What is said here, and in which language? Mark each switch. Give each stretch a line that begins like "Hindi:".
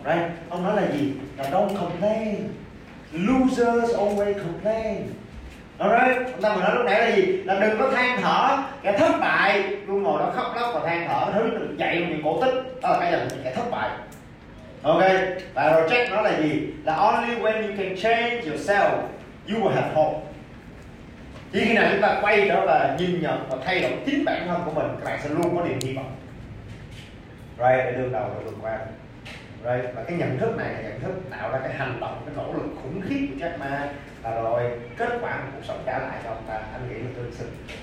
English: Right?
Vietnamese: Ông nói là gì? Là
English: don't complain. Losers always complain. Alright?
Vietnamese: Ông ta vừa nói lúc nãy là gì? Là đừng có than thở. Kẻ thất bại luôn ngồi đó khóc lóc và than thở. Thứ đừng dạy một người cổ tích. Đó là cái dành cho kẻ thất bại. Ok? Và rồi Jack nói là gì?
English: Là only when you can change yourself, you will have hope.
Vietnamese: Chỉ khi nào chúng ta quay trở về nhìn nhận và thay đổi chính bản thân của mình, các bạn sẽ luôn có niềm hy vọng. Right, để đương đầu và vượt qua. Right, và cái nhận thức này là nhận thức tạo ra cái hành động, cái nỗ lực khủng khiếp của Jack Ma. Và rồi kết quả của cuộc sống trả lại cho ông ta, anh nghĩ là tương xứng.